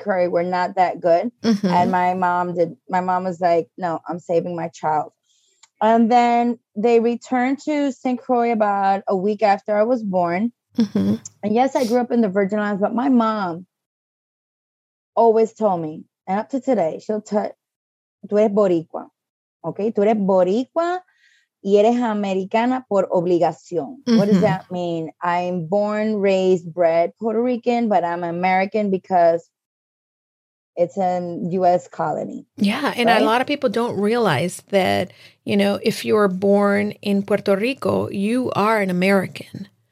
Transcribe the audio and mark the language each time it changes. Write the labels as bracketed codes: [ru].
[en] Croix were not that good. Mm-hmm. And my mom was like, no, I'm saving my child. And then they returned to St. Croix about a week after I was born. Mm-hmm. And yes, I grew up in the Virgin Islands, but my mom always told me, and up to today, she'll tell, [es] tú eres boricua, [en] okay? [es] Tú eres boricua y eres americana por obligación. [en] Mm-hmm. What does that mean? I'm born, raised, bred Puerto Rican, but I'm American because it's a U.S. colony. Yeah, and right? A lot of people don't realize that, you know, if you're born in Puerto Rico, you are an American.